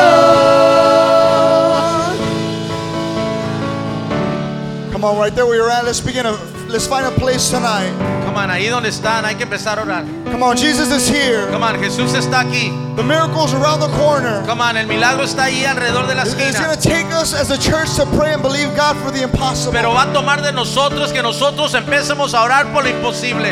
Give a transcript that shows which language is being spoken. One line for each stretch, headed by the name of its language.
English: Come on, right there where you're at. Let's find a place tonight. Come on,
Spanish: ahí donde están, hay que empezar a orar.
English: Come on, Jesus is here. Come on,
Spanish: Jesús está aquí.
English: The miracle's around the corner. Come on,
Spanish: el milagro está ahí alrededor de la esquina.
English: It's going to take us as a church to pray and believe God for the impossible.
Spanish: Pero va a tomar de nosotros que nosotros empecemos a orar por lo imposible.